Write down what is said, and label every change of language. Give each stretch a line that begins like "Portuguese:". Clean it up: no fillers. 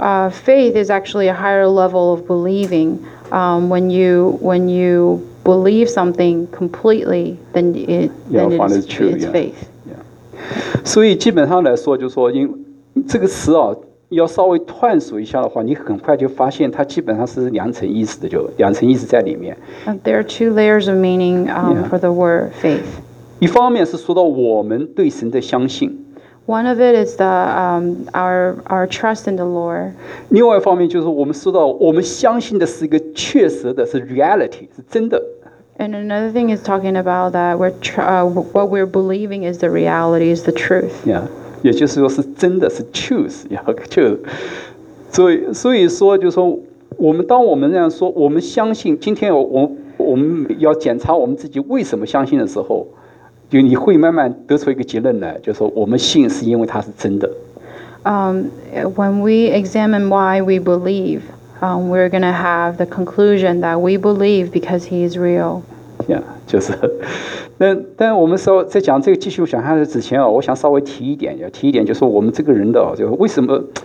English: Faith is actually a higher level of believing. When you believe something completely, then it's faith.
Chinese: 所以基本上来说，就是说，因这个词要稍微探索一下的话，你很快就发现它基本上是两层意思的，就两层意思在里面。
English: There are two layers of meaning for the word faith.
Chinese: 一方面是说到我们对神的相信。
English: One of it is the our trust in the Lord.
Chinese: 另外一方面就是我们说到我们相信的是一个确实的，是 reality， 是真的。
English: And another thing is talking about that what we're believing is the reality, is the truth.
Chinese: Yeah, 也就是说是真的是 truth, yeah, truth. 所以说就是说我们当我们这样说我们相信今天我们要检查我们自己为什么相信的时候，就你会慢慢得出一个结论来，就是说我们信是因为它是真的。
English: When we examine why we believe,we're going to have the conclusion that we believe because he is real.
Chinese: Yeah, 就是。但我们稍在讲这个继续讲下去之前我想稍微提一点，要提一点，就是我们这个人的，就为什么？